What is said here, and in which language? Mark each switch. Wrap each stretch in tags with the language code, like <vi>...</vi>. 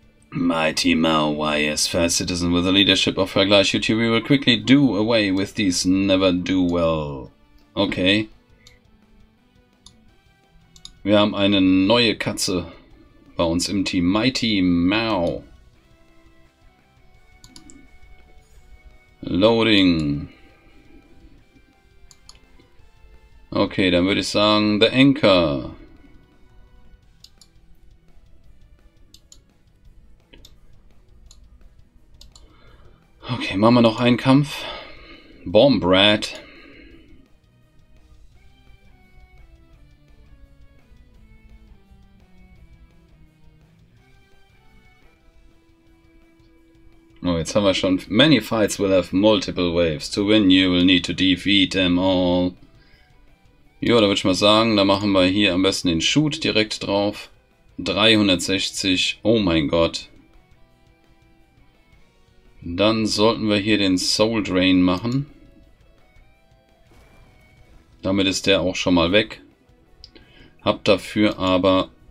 <en>Mighty Mao, why, yes, fair citizen, with the leadership of Herr Gleich YouTube, we will quickly do away with these never do well.</en> <de>Okay. Wir haben eine neue Katze bei uns im Team. Mighty Mao.</de> <en>Loading.</en> <de>Okay, dann würde ich sagen, The Anchor. Okay, machen wir noch einen Kampf. Bomb Rat. Oh, jetzt haben wir schon.</de> <en>Many fights will have multiple waves. To win, you will need to defeat them all.</en> <de>Ja, da würde ich mal sagen, da machen wir hier am besten den Shoot direkt drauf. 360, oh mein Gott. Dann sollten wir hier den Soul Drain machen. Damit ist der auch schon mal weg. Hab dafür aber...</de>